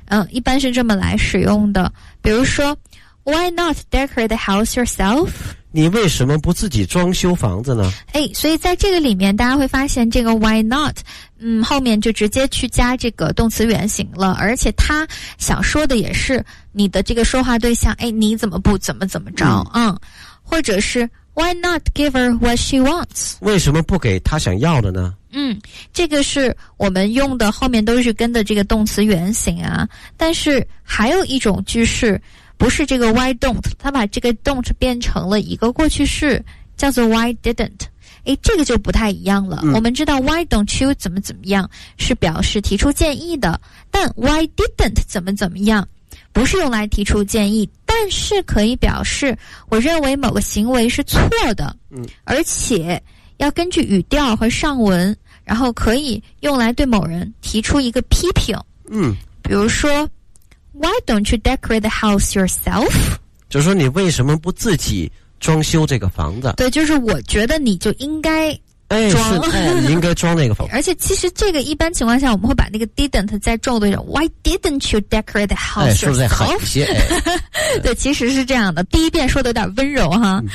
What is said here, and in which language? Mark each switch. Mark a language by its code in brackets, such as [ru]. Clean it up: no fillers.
[zh] 一般是这么来使用的。比如说 [en] Why not decorate the house yourself? [zh] 你为什么不自己装修房子呢？诶，所以在这个里面大家会发现这个 why not， 后面就直接去加这个动词原形了，而且他想说的也是你的这个说话对象，诶，你怎么不怎么怎么着。或者是 [en] Why not give her what she wants? [zh] 为什么不给她想要的呢？这个是我们用的后面都是跟的这个动词原形啊，但是还有一种句式不是这个 why don't， 它把这个 don't 变成了一个过去式，叫做 why didn't。诶，这个就不太一样了。我们知道 why don't you 怎么怎么样是表示提出建议的，但 why didn't 怎么怎么样不是用来提出建议，但是可以表示我认为某个行为是错的。而且要根据语调和上文，然后可以用来对某人提出一个批评。比如说 [en] Why don't you decorate the house yourself? [zh] 就是说你为什么不自己装修这个房子？对，就是我觉得你就应该装，你应该装那个房子。而且其实这个一般情况下我们会把那个 didn't 再重的一种 [en] Why didn't you decorate the house yourself? [zh] 是不是在狠一些？对，其实是这样的，第一遍说的有点温柔哈。